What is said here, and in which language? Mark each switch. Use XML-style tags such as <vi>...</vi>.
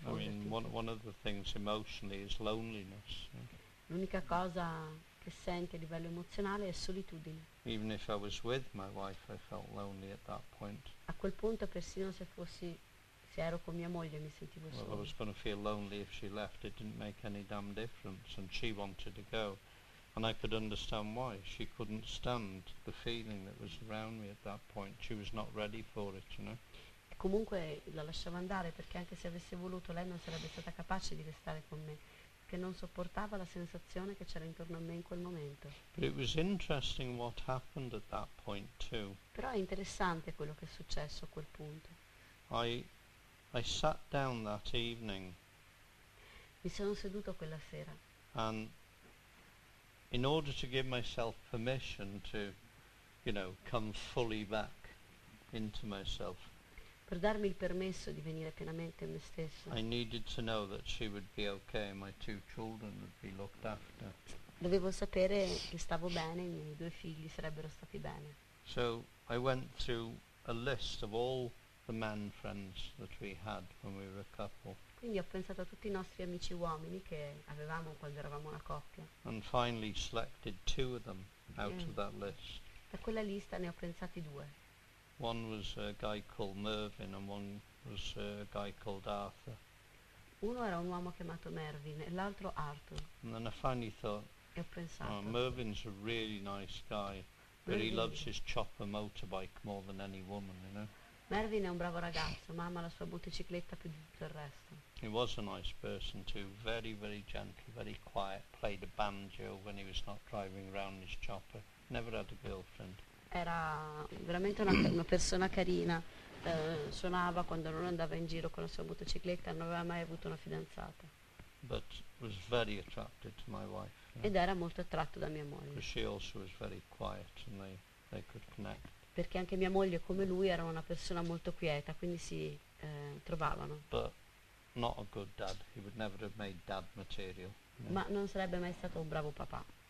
<en>I mean, one of the things emotionally is loneliness.</en> <it>L'unica cosa che senti a livello emozionale è solitudine.</it> <en>Even if I was with my wife, I felt lonely at that point.</en> <it>A quel punto, persino se ero con mia moglie, mi sentivo solo.</it> <en>Well, I was going to feel lonely if she left. It didn't make any damn difference, and she wanted to go, and I could understand why. She couldn't stand the feeling that was around me at that point. She was not ready for it, you know.</en> <it>Comunque la lasciavo andare perché anche se avesse voluto lei non sarebbe stata capace di restare con me, che non sopportava la sensazione che c'era intorno a me in quel momento.</it> <en>But it was interesting what happened at that point too.</en> <it>Però è interessante quello che è successo a quel punto.</it> <en>I sat down that evening.</en> <it>Mi sono seduto quella sera.</it> <en>And in order to give myself permission to, you know, come fully back into myself.</en> <it>Per darmi il permesso di venire pienamente me stesso.</it> <en>I needed to know that she would be okay, my two children would be looked after.</en> <it>Dovevo sapere che stavo bene, i miei due figli sarebbero stati bene.</it> <en>So I went through a list of all the man friends that we had when we were a couple.</en> <it>Quindi ho pensato a tutti i nostri amici uomini che avevamo quando eravamo una coppia.</it> <en>And finally selected two of them out of that list.</en> <it>Da quella lista ne ho pensati due.</it> <en>One was a guy called Mervyn and one was a guy called Arthur.</en> <it>Uno era un uomo chiamato Mervyn e l'altro Arthur.</it> <en>And then I finally thought,</en> <it>e ho pensato,</it> <en>oh, Mervyn's a really nice guy, but he loves his chopper motorbike more than any woman, you know.</en> <it>Mervyn è un bravo ragazzo, ma ama la sua motocicletta più di tutto il resto.</it> <en>He was a nice person too, very, very gentle, very quiet, played a banjo when he was not driving around in his chopper, never had a girlfriend.</en> <it>Era veramente una persona carina, suonava quando non andava in giro con la sua motocicletta, non aveva mai avuto una fidanzata.</it> <en>But was very attracted to my wife,</en> <it>ed era molto attratto da mia moglie.</it> <en>She also was very quiet and they could connect.</en> <it>Perché anche mia moglie come lui era una persona molto quieta, quindi si trovavano.</it> <en>But not a good dad, he would never have made dad material.</en> <it>Ma non sarebbe mai stato un bravo papà.</it>